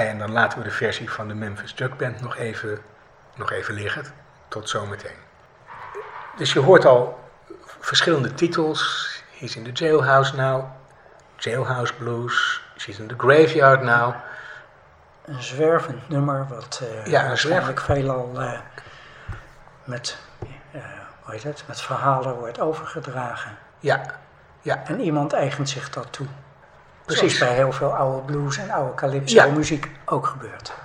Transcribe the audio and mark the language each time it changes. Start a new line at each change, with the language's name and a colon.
Dutch: Laten we de versie van de Memphis Jug Band nog even liggen. Tot zometeen. Dus je hoort al verschillende titels.
English: He's in the jailhouse now. Jailhouse Blues. She's in the graveyard now.
Dutch: Een zwervend nummer, wat waarschijnlijk veelal met verhalen wordt overgedragen. Ja, ja. En iemand eigent zich dat toe. Precies. Zoals bij heel veel oude blues en oude calypso-muziek ook gebeurt.